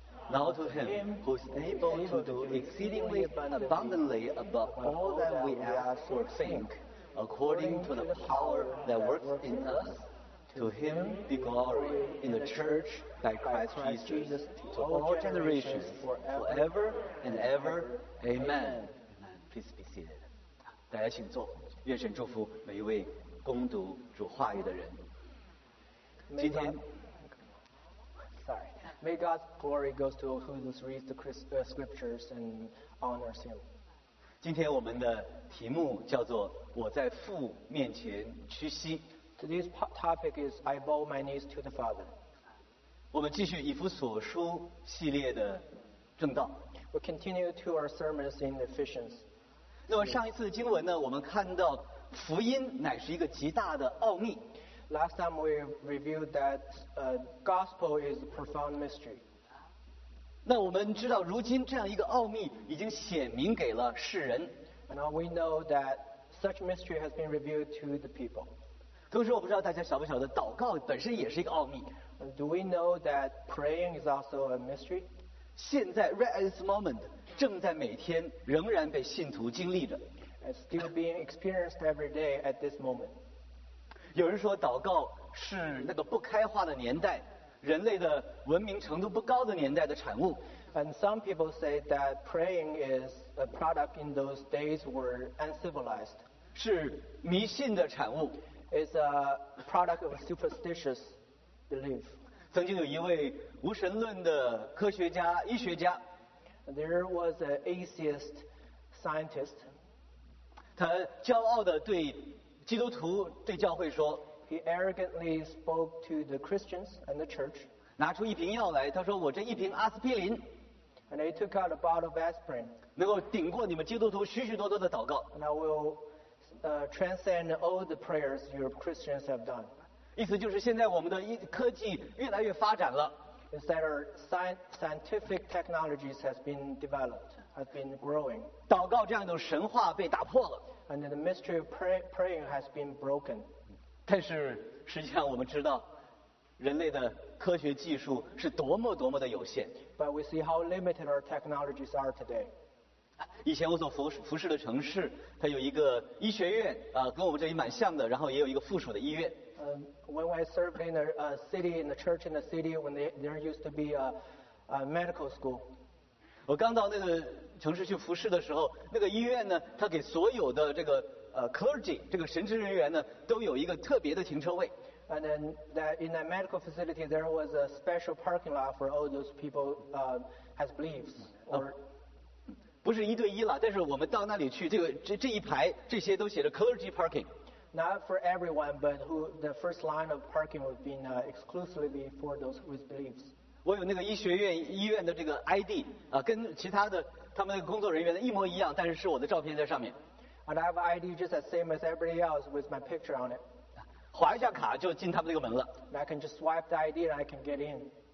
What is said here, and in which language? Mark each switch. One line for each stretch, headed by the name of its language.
English: Now to him who is able to do exceedingly abundantly above all that we ask or think, according to the power that works in us, to him be glory in the church by Christ Jesus to all generations forever and ever. Amen. Please be seated.
Chinese: 大家请坐。愿神祝福每一位攻读主话语的人。今天
English: May God's glory goes to who reads the scriptures and honors him.
Chinese: 今天我们的题目叫做我在父面前屈膝。
English: Today's topic is I bow my knees to the Father.
Chinese: 我们继续以弗所书系列的正道。
English: We continue to our sermons in Ephesians.
Chinese: 那么上一次的经文呢，我们看到福音乃是一个极大的奥秘。
English: Last time we reviewed that gospel is a profound mystery.
Chinese: 那我们知道，如今这样一个奥秘已经显明给了世人。
English: Now we know that such mystery has been revealed to the people.
Chinese: 同时，我不知道大家晓不晓得，祷告本身也是一个奥秘。
English: Do we know that praying is also a mystery?
Chinese: 现在
English: right at this moment
Chinese: 正在每天仍然被信徒经历着。
English: It's still being experienced every day at this moment.
Chinese: 有人说祷告是那个不开化的年代，人类的文明程度不高的年代的产物。
English: And some people say that praying is a product in those days were uncivilized.
Chinese: 是迷信的产物。
English: It's a product of superstitious belief.
Chinese: 曾经有一位无神论的科学家、医学家。
English: There was an atheist scientist.
Chinese: 他骄傲地对基督徒对教会说
English: ，He arrogantly spoke to the Christians and the church.
Chinese: 拿出一瓶药来，他说：“我这一瓶阿司匹林
English: ，And he took out a bottle of aspirin.
Chinese: 能够顶过你们基督徒许许多多的祷告。
English: And I will transcend all the prayers your Christians have done.
Chinese: 意思就是现在我们的科技越来越发展了。
English: Is that our scientific technologies has been developed, has been growing.
Chinese: 祷告这样一种神话被打破了。
English: And the mystery of praying has been broken.
Chinese: 但是实际上我们知道，人类的科学技术是多么多么的有限。
English: But we see how limited our technologies are today.
Chinese: 以前我所服侍的城市，它有一个医学院，跟我们这里蛮像的，然后也有一个附属的医院。
English: When I served in a city, in the church in the city, when there used to be a medical school.
Chinese: 我刚到那个城市去服侍的时候，那个医院呢，它给所有的这个clergy 这个神职人员呢，都有一个特别的停车位。
English: And then that in that medical facility, there was a special parking lot for all those people as believers.
Chinese: 不是一对一了，但是我们到那里去，这一排这些都写着 clergy parking。
English: Not for everyone, but who the first line of parking would be exclusively for those with beliefs.
Chinese: 我有那个医院的这个 ID 跟其他的他们的工作人员的一模一样，但是是我的照片在上面。
English: And I have ID just as same as everybody else with my picture on it.
Chinese: 划一下卡就进他们那个门了。
English: And I can just swipe the ID and I can get in.